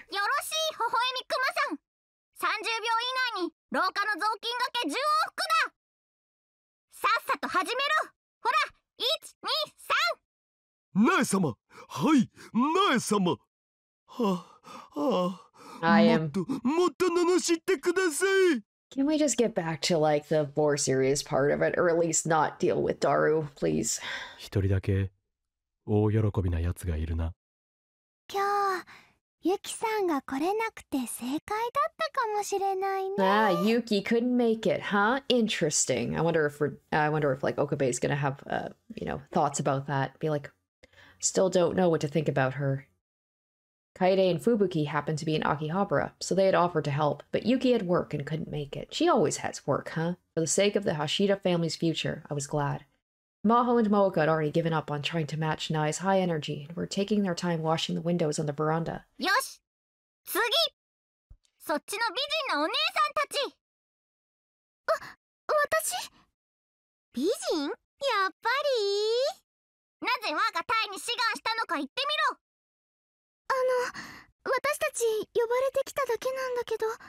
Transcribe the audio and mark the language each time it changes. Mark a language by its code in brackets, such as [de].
[ja] よろしい、微笑みクマさん。30秒以内に廊下の雑巾がけ10往復だ。さっさと始めろ。ほら、1、2、3。ナエ様、はい、ナエ様。はあ、はあ、もっと罵ってください。 [en] Can we just get back to like the more serious part of it, or at least not deal with Daru, please? [ja] 一人だけ大喜びなやつがいるな。今日ユキさんが来れなくて正解だったかもしれないね。 [en] Ah, Yuki couldn't make it, huh? Interesting. I wonder if like Okabe is gonna have thoughts about that. Be like, still don't know what to think about her. Kaede and Fubuki happened to be in Akihabara, so they had offered to help, but Yuki had work and couldn't make it. She always has work, huh? For the sake of the Hashira family's future, I was glad. Maho and Mooka had already given up on trying to match Nai's high energy and were taking their time washing the windows on the veranda. [ja] よし、次、そっちの美人のお姉さんたち。あ、私、美人？やっぱり。なぜ我がタイに志願したのか言ってみろ。あの、私たち呼ばれてきただけなんだけど。